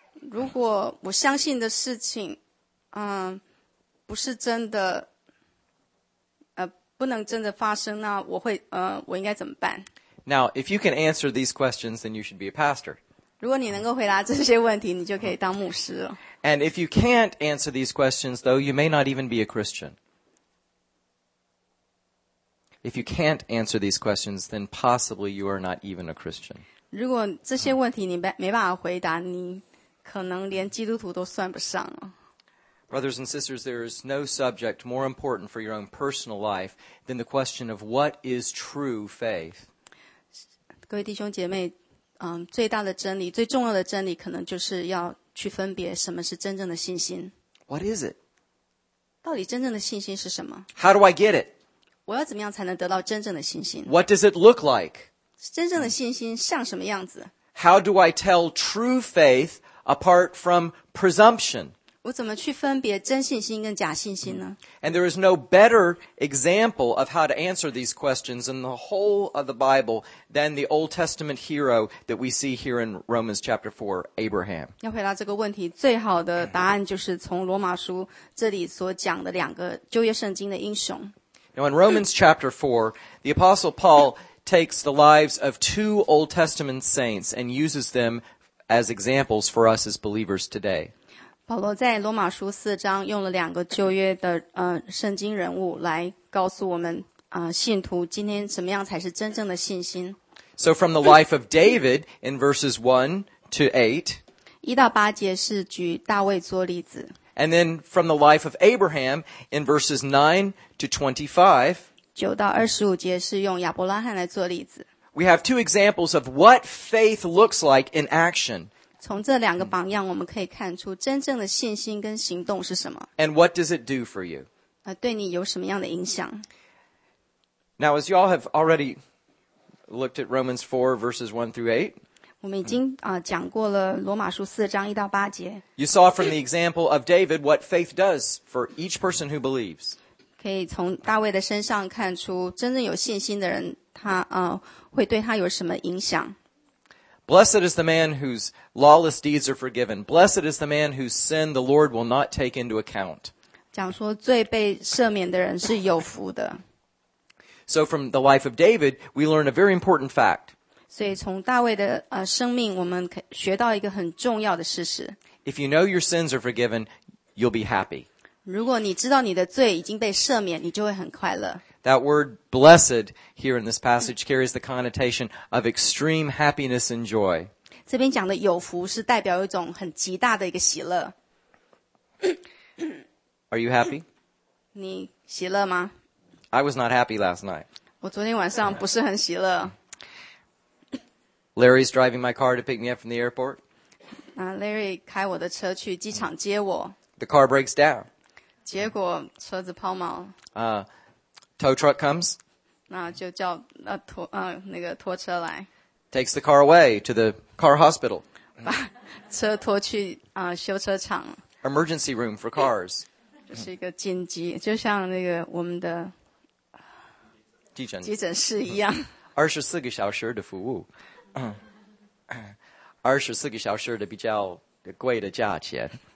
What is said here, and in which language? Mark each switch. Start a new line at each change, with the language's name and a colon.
Chinese: 如果我相信的事情，不是真的，不能真的发生，那我会，我应该怎么办？
English: Now, if you can answer these questions, then you should be a pastor.
Chinese: 如果你能够回答这些问题，你就可以当牧师了。
English: And if you can't answer these questions, though, you may not even be a Christian. If you can't answer these questions, then possibly you are not even a Christian.
Chinese: 如果这些问题你没办法回答，你可能连基督徒都算不上了。
English: Brothers and sisters, there is no subject more important for your own personal life than the question of what is true faith.
Chinese: 各位弟兄姐妹，最大的真理，最重要的真理，可能就是要去分别什么是真正的信心。
English: What is it?
Chinese: 到底真正的信心是什么？
English: How do I get it?
Chinese: 我要怎么样才能得到真正的信心？
English: What does it look like?
Chinese: 真正的信心像什么样子？
English: How do I tell true faith apart from presumption?
Chinese: 我怎么去分别真信心跟假信心呢？
English: And there is no better example of how to answer these questions in the whole of the Bible than the Old Testament hero that we see here in Romans chapter 4, Abraham.
Chinese: 要回答这个问题，最好的答案就是从罗马书这里所讲的两个旧约圣经的英雄。
English: Now in Romans chapter 4, the Apostle Paul takes the lives of two Old Testament saints and uses them as examples for us as believers today.
Chinese: 保罗在罗马书四章用了两个旧约的圣经人物来告诉我们信徒今天怎么样才是真正的信心。
English: So from the life of David in verses 1-8.
Chinese: 一到八节是举大卫做例子。
English: And then from the life of Abraham in verses 9-25.
Chinese: 九到二十五节是用亚伯拉罕来做例子。
English: We have two examples of what faith looks like in action.
Chinese: 从这两个榜样我们可以看出真正的信心跟行动是什么。
English: And what does it do for you?
Chinese: 对你有什么样的影响？
English: Now, as you all have already looked at Romans 4, verses 1-8,
Chinese: 我们已经讲过了罗马书四章一到八节。
English: You saw from the example of David what faith does for each person who believes.
Chinese: 可以从大卫的身上看出真正有信心的人他会对他有什么影响。
English: Blessed is the man whose lawless deeds are forgiven. Blessed is the man whose sin the Lord will not take into account.
Chinese: 讲说罪被赦免的人是有福的。
English: So from the life of David, we learn a very important fact.
Chinese: 所以从大卫的生命，我们学到一个很重要的事实。
English: If you know your sins are forgiven, you'll be happy.
Chinese: 如果你知道你的罪已经被赦免，你就会很快乐。
English: That word blessed here in this passage carries the connotation of extreme happiness and joy.
Chinese: 这边讲的有福是代表一种很极大的一个喜乐。
English: Are you happy?
Chinese: 你喜乐吗？
English: I was not happy last night.
Chinese: 我昨天晚上不是很喜乐。
English: Larry's driving my car to pick me up from the airport.
Chinese: Larry 开我的车去机场接我。
English: The car breaks down.
Chinese: 结果车子抛锚。
English: Tow truck comes.
Chinese: 那就叫那个拖车来。
English: Takes the car away to the car hospital.
Chinese: 把车拖去修车厂。
English: Emergency room for cars.
Chinese: 这是一个紧急，就像那个我们的急诊室一样。二十四个小时的服务，二十四个小时的比较贵的价钱。